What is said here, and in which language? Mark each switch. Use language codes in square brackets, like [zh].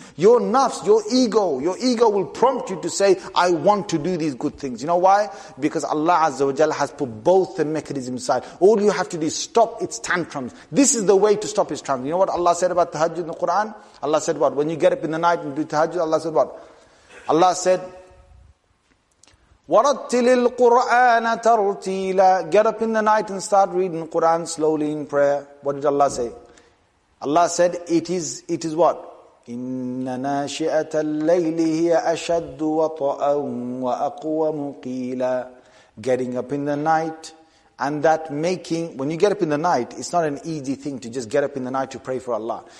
[en] Your nafs, your ego will prompt you to say, I want to do these good things. You know why? Because Allah Azza wa Jalla has put both the mechanisms inside. All you have to do is stop its tantrums. This is the way to stop its tantrums. You know what Allah said about tahajjud in the Quran? Allah said what? When you get up in the night and do tahajjud, Allah said what? Allah said, [ar] وَرَتِّلِ الْقُرْآنَ تَرْتِيلًا. [en] Get up in the night and start reading the Quran slowly in prayer. What did Allah say? Allah said, it is what? [ar] إِنَّ نَاشِئَةَ اللَّيْلِ هِيَ أَشَدُّ وَطَأً وَأَقْوَمُ قِيلًا. [en] Getting up in the night, and that making, when you get up in the night, it's not an easy thing to just get up in the night to pray for Allah.